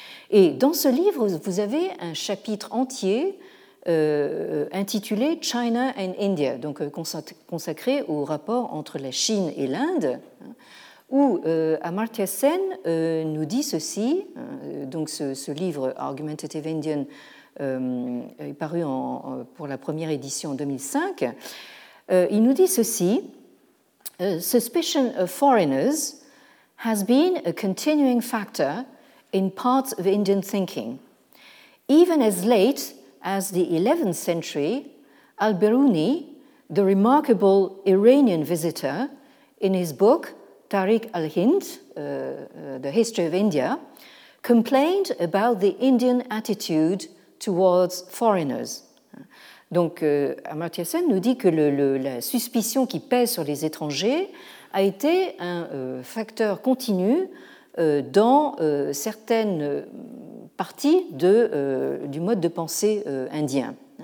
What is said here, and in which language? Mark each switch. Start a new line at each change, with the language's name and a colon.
French: Et dans ce livre, vous avez un chapitre entier intitulé China and India, donc consacré au rapport entre la Chine et l'Inde, où Amartya Sen nous dit ceci. Donc ce livre Argumentative Indian est paru pour la première édition en 2005. Il nous dit ceci:
English: Suspicion of foreigners has been a continuing factor in parts of Indian thinking. Even as late as the 11th century, Al-Biruni, the remarkable Iranian visitor, in his book Tariq al-Hind, The History of India, complained about the Indian attitude towards foreigners.
French: Donc Amartya Sen nous dit que la suspicion qui pèse sur les étrangers a été un facteur continu dans certaines parties du mode de pensée indien.